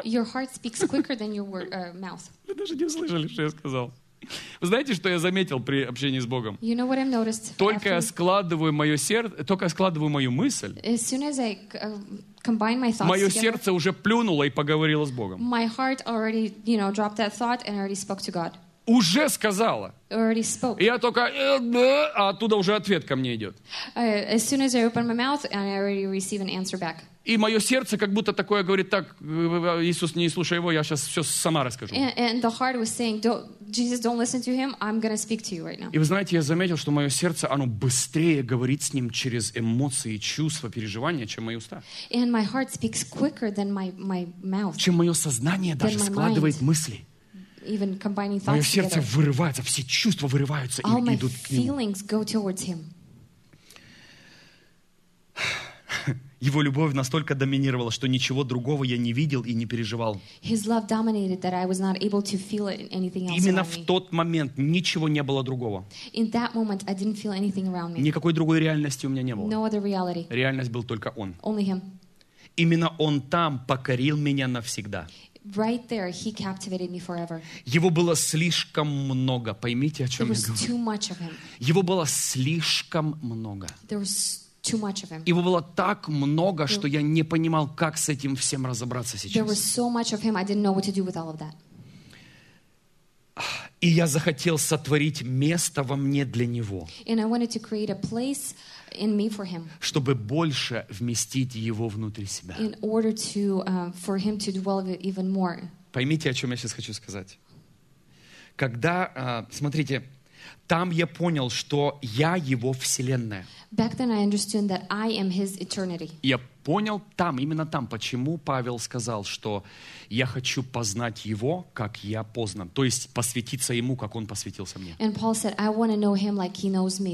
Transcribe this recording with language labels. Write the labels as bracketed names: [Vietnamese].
[Russian] Вы даже не услышали, что я сказал. Вы знаете, что я заметил при общении с Богом? [English] You know what I've noticed? [Russian] Только я складываю мое сердце, только я складываю мою мысль, [English] as soon as I combine my thoughts [Russian] мое сердце уже плюнуло и поговорило с Богом. [English] My heart already, you know, dropped that thought and already spoke to God. [Russian] Уже сказала. [English] Already spoke. [Russian] Я только, а оттуда уже ответ ко мне идет. [English] As soon as I open my mouth, and I already receive an answer back. [Russian] И мое сердце как будто такое говорит, так, Иисус, не слушай его, я сейчас все сама расскажу. [English] And the heart was saying, Jesus, don't listen to him, I'm going to speak to you right now. [Russian] И вы знаете, я заметил, что мое сердце, оно быстрее говорит с ним через эмоции, чувства, переживания, чем мои уста. [English] And my heart speaks quicker than my mouth. [Russian] Чем мое сознание даже складывает мысли. [English] Even combining thoughts [Russian] мое сердце [English] together. [Russian] Вырывается, все чувства вырываются [English] All [Russian] и [English] my [Russian] идут [English] feelings [Russian] к нему. [English] Go towards him. [Russian] Его любовь настолько доминировала, что ничего другого я не видел и не переживал. Именно в тот момент ничего не было другого. [English] In that moment, I didn't feel anything around me. [Russian] Никакой другой реальности у меня не было. [English] No other reality. [Russian] Реальность был только он. [English] Only him. [Russian] Именно он там покорил меня навсегда. [English] Right there, he captivated me forever. [Russian] Его было слишком много. Поймите, о чем [English] There [Russian] я говорю. [English] Too much of him. [Russian] Его было слишком много. [English] There was too much of him. [Russian] Его было так много, что я не понимал, как с этим всем разобраться сейчас. [English] There was so much of him, I didn't know what to do with all of that. [Russian] И я захотел сотворить место во мне для него. [English] And I wanted to create a place in me for him. [Russian] Чтобы больше вместить его внутрь себя. [English] In order to for him to dwell even more. [Russian] Поймите, о чем я сейчас хочу сказать. Когда, смотрите, там я понял, что я его вселенная. [English] Back then I understood that I am his eternity. [Russian] Я понял там, именно там, почему Павел сказал, что я хочу познать его, как я познан. То есть посвятиться ему, как он посвятился мне. [English] And Paul said, I want to know him like he knows me.